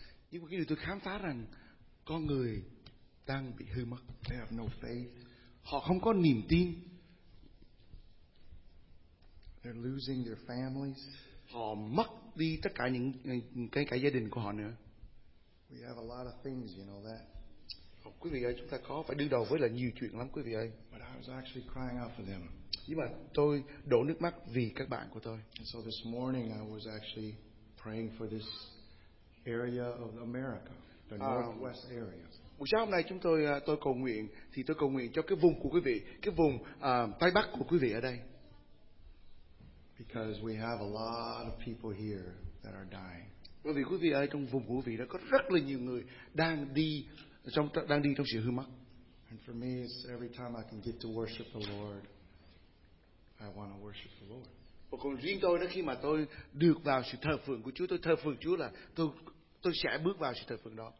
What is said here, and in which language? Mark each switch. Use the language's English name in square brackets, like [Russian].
[Vietnamese] Nhưng mà cái điều tôi khám phá rằng con người đang bị hư mất. [English] They have no faith. [Vietnamese] Họ không có niềm tin. [English] They're losing their families. [Vietnamese] Họ mất đi tất cả những cái gia đình của họ nữa. [English] We have a lot of things, you know that. [Vietnamese] Quý vị ơi, chúng ta có phải đương đầu với là nhiều chuyện lắm quý vị ơi. [English] But I was actually crying out for them. [Vietnamese] Nhưng mà tôi đổ nước mắt vì các bạn của tôi. [English] And so this morning I was actually praying for this area of America, the northwest area. [Vietnamese] Buổi sáng hôm nay chúng tôi cầu nguyện thì tôi cầu nguyện cho cái vùng của quý vị, cái vùng Tây Bắc của quý vị ở đây. [English] Because we have a lot of people here that are dying. [Vietnamese] Bởi vì quý vị ơi, trong vùng của quý vị đó có rất là nhiều người đang đi trong sự hư mất. [English] And for me, it's every time I can get to worship the Lord, I want to worship the Lord. [Vietnamese] Và còn riêng tôi đó, khi mà tôi được vào sự thờ phượng của Chúa, tôi thờ phượng Chúa là tôi sẽ bước vào sự thờ phượng đó.